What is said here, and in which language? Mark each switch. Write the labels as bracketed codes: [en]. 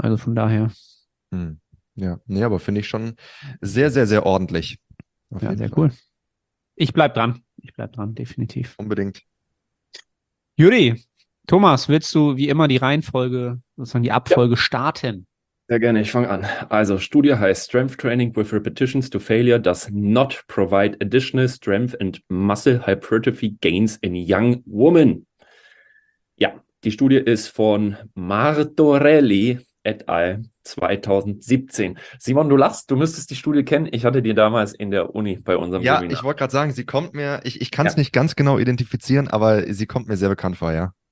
[de] Also von daher. Ja, nee, aber finde ich schon sehr, sehr, sehr ordentlich. Cool. Ich bleib dran, definitiv. Unbedingt. Juri, Thomas, willst du wie immer die Reihenfolge, sozusagen die Abfolge starten? Sehr gerne, ich fange an. Also, Studie heißt [en] Strength Training with Repetitions to Failure does not provide additional strength and muscle hypertrophy gains in young women. [de] Ja, die Studie ist von Martorelli et al. 2017. Simon, du lachst, du müsstest die Studie kennen. Ich hatte die damals in der Uni bei unserem Seminar. Ja, ich wollte gerade sagen, sie kommt mir, ich kann es nicht ganz genau identifizieren, aber sie kommt mir sehr bekannt vor, ja.